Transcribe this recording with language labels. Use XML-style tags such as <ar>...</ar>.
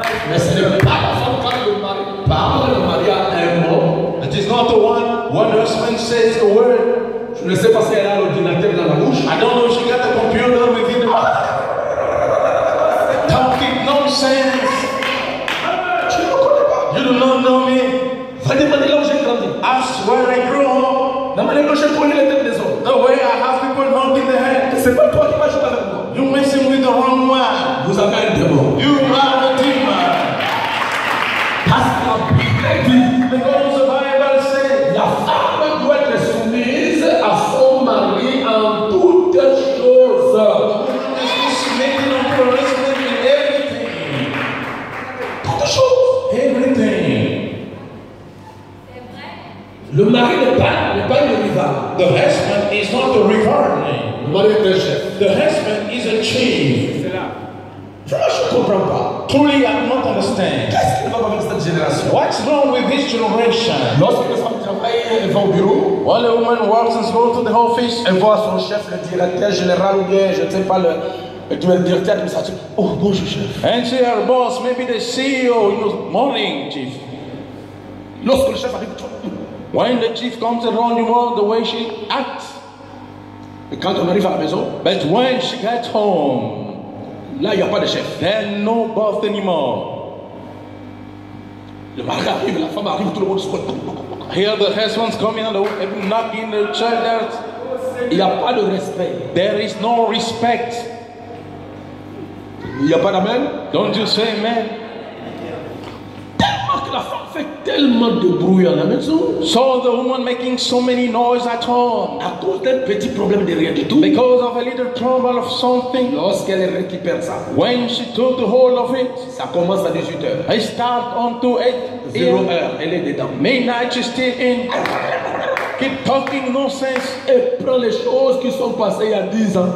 <fr>Mais ce n'est pas la femme quand le mari parle, le mari a un mot.</fr> <en>It is not the one when her husband says the word.</en> <fr>Je ne sais pas si elle a l'ordinateur dans la bouche.</fr> <en>I don't know if she got the computer within the mouth. Talking nonsense.</en> <fr>Tu ne me connais pas.</fr> <en>You do not know me.</en> <fr>Va demander là où j'ai grandi.</fr> <en>Ask where I grew up.</en> <fr>Demande là où j'ai connu les têtes des hommes.</fr> <en>The way I have people holding their head.</en> <fr>C'est pas toi qui vas jouer avec moi.</fr> <en>You're messing with the wrong one.</en> <fr>Vous avez un démon.</fr> <en>You are a demon.</en> <fr>Parce que la Bible dit.</fr> <en>Because the Bible says.</en> <fr>La femme doit être soumise à son mari en toutes choses.</fr> <en>The woman is to submit to her husband in everything.</en> <fr>Toutes choses.</fr> <en>Everything.</en> <fr>Le mari n'est pas le rival.</fr> <en>The husband is not the rival.</en> <fr>Le mari est le chef.</fr> <en>The husband is a chief.</en> <fr>Franchement, je ne comprends pas.</fr> <en>Truly, I do not understand.</en> <fr>Qu'est-ce qui ne va pas avec cette génération?</fr> <en>What's wrong with this generation?</en> <fr>Lorsque les femmes travaillent et vont au bureau,</fr> <en>while a woman works and goes to the office,</en> <fr>elle voit son chef, le directeur général ou bien, je ne sais pas, le directeur administratif. Oh, bonjour, chef.</fr> <en>And see her boss, maybe the CEO. Morning, chief.</en> <fr>Lorsque le chef arrive,</fr> <en>when the chief comes around, you know the way she acts.</en> <fr>Et quand on arrive à la maison,</fr> <en>but when she gets home,</en> <fr>là il y a pas de chef.</fr> <en>There's no boss anymore.</en> <fr>Le mari arrive, la femme arrive, tout le monde se voit.</fr> <en>Here the husband's coming and knocking the shoulders.</en> <fr>Il y a pas de respect.</fr> <en>There is no respect.</en> <fr>Il y a pas d'amen.</fr> <en>Don't you say amen?</en> <fr>La femme fait tellement de bruit à la maison.</fr> <en>So the woman making so many noise at home.</en> <fr>À cause d'un petit problème de rien du tout.</fr> <en>Because of a little trouble of something.</en> <fr>Lorsqu'elle récupère ça.</fr> <en>When she took the whole of it.</en> <fr>Ça commence à 18h.</fr> <en>It start on to</en> <fr>8h. Elle est dedans.</fr> <en>Midnight she's still in. Keep talking nonsense.</en> <fr>Et prend les choses qui sont passées il y a 10 ans.</fr>